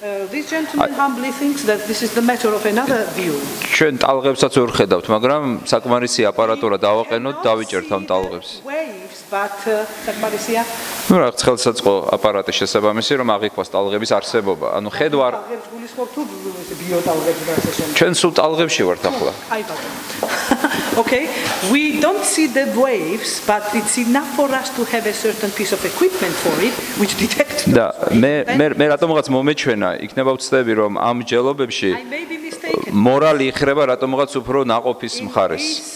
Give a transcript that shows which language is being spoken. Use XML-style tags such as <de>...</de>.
<en>This gentleman humbly thinks that this is the matter of another view.</en> <ka>ჩვენ ტალღებსაც ვერხედავთ, მაგრამ საკმარისი აპარატურა დავაყენოთ, დავიჭერთ ამ ტალღებს. ნუ რა, ხელსაწყო აპარატის შესაბამისი, რომ აღიქვას ტალღების არსებობა. ანუ ხედვა არ ტალღებს გულის ხო თუ ეს ბიოტალღები და ასე შემდეგ. ჩვენ სულ ტალღებში ვართ ახლა. აი ბატონო.</ka> <en>Okay, we don't see the waves, but it's enough for us to have a certain piece of equipment for it which detects</en> <ka>და მე რატომღაც მომეჩვენა, იქნება ვწდები რომ ამ ჯელობებში მორალი იხრება რატომღაც უფრო ნაყოფის მხარეს.</ka>